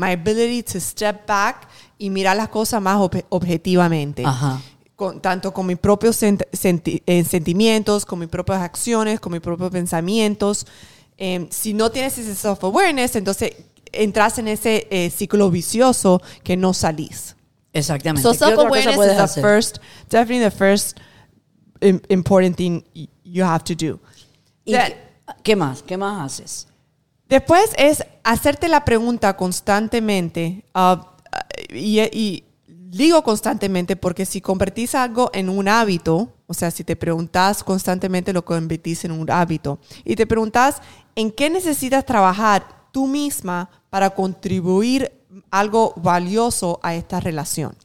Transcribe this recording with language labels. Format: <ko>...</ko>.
<en>My ability to step back</en> <es>y mirar las cosas más objetivamente. Ajá. Tanto con mis propios sentimientos, con mis propias acciones, con mis propios pensamientos. Si no tienes ese self-awareness, entonces entras en ese ciclo vicioso que no salís. Exactamente.</es> <en>So self-awareness is the first important thing you have to do.</en> <es>¿Qué más haces? Después es hacerte la pregunta constantemente y digo constantemente porque si convertís algo en un hábito, o sea, si te preguntas constantemente lo convertís en un hábito y te preguntas en qué necesitas trabajar tú misma para contribuir algo valioso a esta relación.</es>